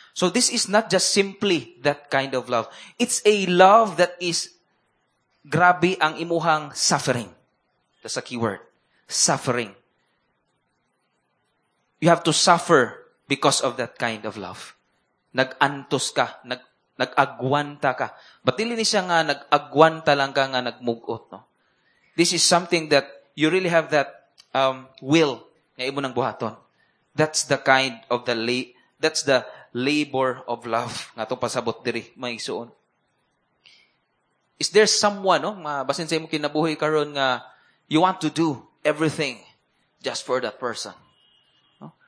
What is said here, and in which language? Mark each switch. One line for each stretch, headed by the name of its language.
English: So this is not just simply that kind of love. It's a love that is
Cebuano: grabe ang imuhang
English: suffering. That's a key word. Suffering. You have to suffer because of that kind of love.
Cebuano: Nag-antos ka. Nag-agwanta ka. But dili ni siya nga nag-agwanta lang ka nga nag-mugot. No?
English: This is something that you really have that will
Cebuano: nga imo nang buhaton.
English: That's the kind of the labor of love
Cebuano: nga itong pasabot diri, may isoon.
English: Is there someone, no,
Cebuano: basin sa imo kinabuhi karon nga
English: you want to do everything just for that person? No?